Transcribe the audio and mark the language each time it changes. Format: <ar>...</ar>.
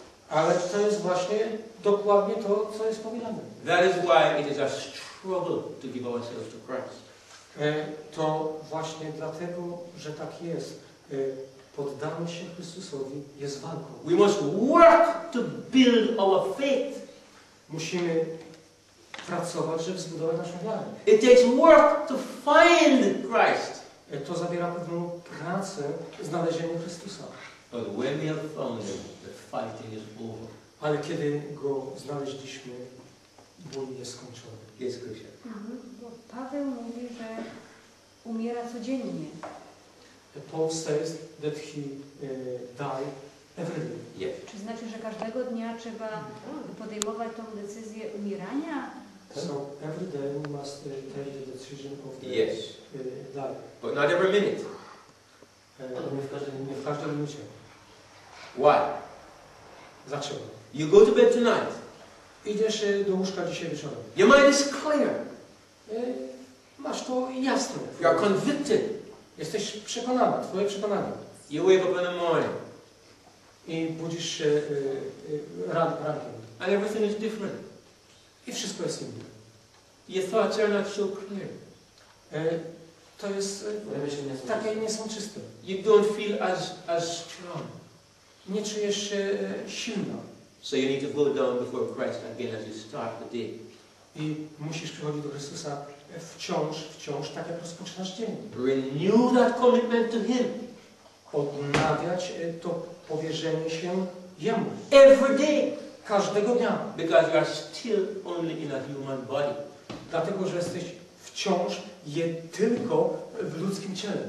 <pl>Ale to jest właśnie dokładnie to, co jest powiedziane.</pl> <en>That is why it is a struggle to give ourselves to Christ.</en> <pl>To właśnie dlatego, że tak jest. Poddanie się Chrystusowi jest walką.</pl> <en>We must work to build our faith.</en> <pl>Musimy pracować, żeby zbudować naszą wiarę.</pl> <en>It takes work to find Christ.</en> <pl>To zawiera pewną pracę znalezienie Chrystusa.</pl> <en>But when we have found him, the fighting is over.</en> <pl>Ale kiedy go znaleźliśmy, bój jest skończony. Jest Krzysia. Mhm. Bo Paweł mówi, że umiera codziennie.</pl> <en>Paul says that he die every day. Yeah.</en> <pl>Czy znaczy, że każdego dnia trzeba podejmować tą decyzję umierania?</pl> <en>So every day we must take the decision of the yes. Die. But not every minute.</en> <pl>Nie w każdym minucie.</pl> <en>Why?</en> <pl>Dlaczego?</pl> <en>You go to bed tonight.</en> <pl>Idziesz do łóżka dzisiaj wieczorem.</pl> <en>Your mind is clear.</en> <pl>Masz to jasne.</pl> <en>You are convicted.</en> <pl>Jesteś przekonany, twoje przekonanie.</pl> <en>You wake up in the morning.</en> <pl>I budzisz się rankiem.</pl> <en>And everything is different.</en> <pl>I wszystko jest inne.</pl> <en>Your thoughts are not so clear.</en> <pl>To jest takie nie są czyste.</pl> <en>You don't feel as strong.</en> <pl>Nie czujesz się silna.</pl> <en>So you need to go down before Christ again as you start the day.</en> <pl>I musisz przychodzić do Chrystusa wciąż tak jak rozpoczynasz dzień.</pl> <en>Renew that commitment to him.</en> <pl>Odnawiać to powierzenie się jemu.</pl> <en>Every day.</en> <pl>Każdego dnia.</pl> <en>Because you are still only in a human body.</en> <pl>Dlatego, że jesteś wciąż je tylko w ludzkim ciele.</pl>